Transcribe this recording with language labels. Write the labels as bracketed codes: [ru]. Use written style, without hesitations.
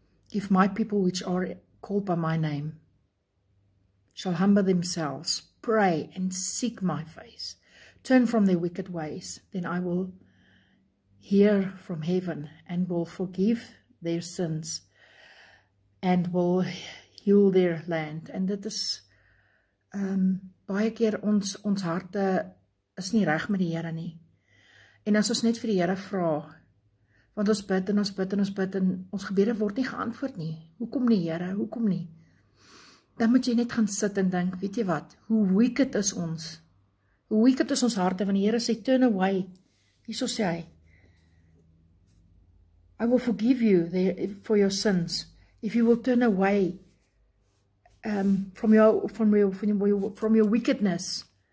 [en] If my people which are called by my name shall humble themselves, pray and seek my face, turn from their wicked ways, then I will hear from heaven and will forgive their sins and will heal their land. [af] And dit is baie keer ons harte is nie reg met die Here nie. En as ons net vir die Here vra, want ons bid en ons bid en ons bid en ons gebede word nie geantwoord nie. Hoekom nie, Here? Hoekom nie? Dan moet jy net gaan sit en dink, weet jy wat, hoe wicked is ons? Hoe wicked is ons harte? Want die Here sê, [en] turn away. [af] Hierso sê hy, [en] I will forgive you for your sins if you will turn away from your wickedness.